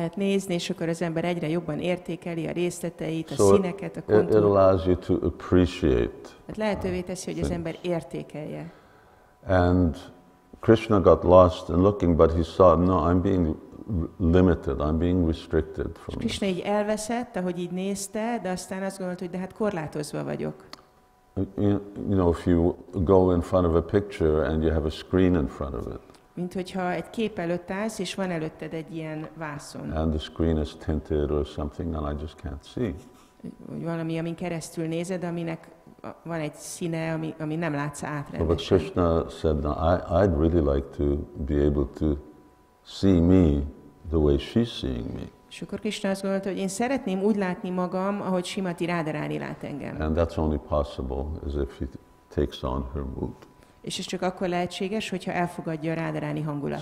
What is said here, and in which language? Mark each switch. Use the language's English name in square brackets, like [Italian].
[Hungarian] Lehet nézni, és akkor az ember egyre jobban értékeli a részleteit, a színeket, a kontúrt. [English] It allows you to appreciate. [Hungarian] Hát lehetővé teszi, hogy az ember értékelje. [English] And Krishna got lost in looking, but he saw, no, I'm being limited, I'm being restricted from [Hungarian] Krishna így elveszett, ahogy így nézte, de aztán azt gondolt, hogy de hát korlátozva vagyok. [English] You know, if you go in front of a picture and you have a screen in front of it. [Hungarian] Mint hogyha egy kép előtt állsz, és van előtted egy ilyen vászon. [English] And the screen is tinted or something, and I just can't see. [Hungarian] Hogy valami, amin keresztül nézed, aminek van egy színe, ami nem látsz át rendesen. [English] But Krishna said, no, I'd really like to be able to see me the way she's seeing me. [Hungarian] És akkor Krishna azt gondolta, hogy én szeretném úgy látni magam, ahogy Srimati Radharani lát engem. [English] And that's only possible as if he takes on her mood. [Hungarian] És ez csak akkor lehetséges, hogyha elfogadja a Radharani hangulatát.